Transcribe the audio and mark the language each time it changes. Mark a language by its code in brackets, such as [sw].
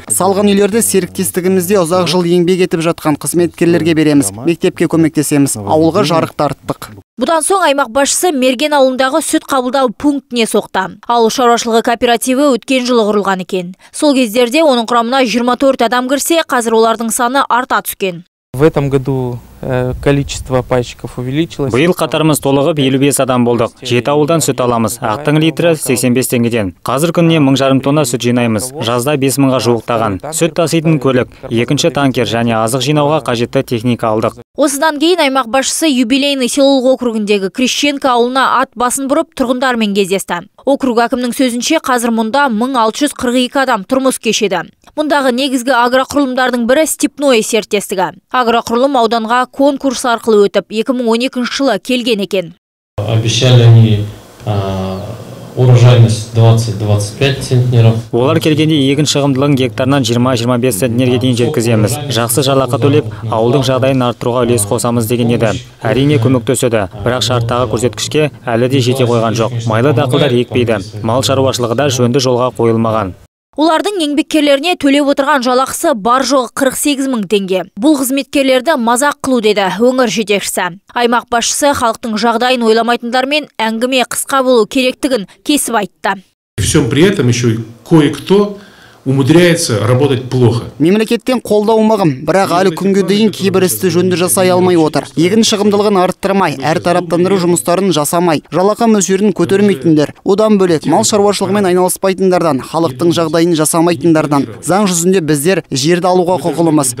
[kk] Салған үйлерді серіктестігімізде ұзақ жыл еңбек етіп жатқан қызметкерлерге береміз, мектепке көмектесеміз, ауылға жарық тарттық. Бұдан соң аймақ басшысы Мерген ауылындағы сүт қабылдау пунктіне соқты. Ауыл шаруашылығы кооперативі өткен жылы құрылған екен. Сол кездерде оның құрамына 24 адам кірсе, қазір олардың саны арта түскен. [ru] В этом году количество пайщиков увеличилось. [kk] Биыл қатарымыз толығып 55 адам болдық. 7 ауылдан сүт аламыз. Ақтың литрі 85 теңгеден. Қазір күніне 1500 тонна сүт жинаймыз. Жазда 5000-ға жуықтаған. Сүт таситын көлік, екінші танкер және азық жинауға қажетті техника алдық. Осыдан кейін аймақ басшысы юбилейный селолық округіндегі Крещенко ауылына ат басын бұрып тұрғындармен кездесті. Округ әкімінің сөзінше қазір мұнда 1642 адам тұрмыс кешеді. Мұндағы негізгі агроқұрылымдардың бірі степное серттестігі. Агроқұрылым ауданға конкурс арқылы өтіп 2012 жылы келген екен. [ru] Обещали они урожайность 20-25 центнеров. [kk] Олар келгенде егін шығымдылығын гектарынан 20-25 центнерге дейін жеткіземіз. Жақсы жалақы төлеп, ауылдың жағдайын арттыруға үлес қосамыз деген еді. Әрине көмектеседі, бірақ шарттағы көрсеткішке әлі де жете қойған жоқ. Майлы дақылдар екпейді. Мал шаруашылығы да жөнді жолға қойылмаған. Олардың еңбеккерлеріне төлеп отырған жалақысы бар жоғы 48 000 теңге. Бұл қызметкерлерді мазақ қылу, деді өңір жетекшісі. Аймақ басшысы халықтың жағдайын ойламайтындармен әңгіме қысқа болу керектігін кесіп айтты. [ru] Всем при этом еще кое-кто умудряется работать плохо. [kk] Мемлекеттен қолдау маған, бірақ әлі күнге дейін кейбір істі жөнді жасай алмай отыр. Егін шығымдылығын арттырмай, әр тараптандыру жұмыстарын жасамай, жалақы мөлшерін көтермейтіндер, одан бөлек мал шаруашылығымен айналыспайтындардан, халықтың жағдайын жасамайтындардан, заң жүзінде біздер жерді алуға құқылымыз.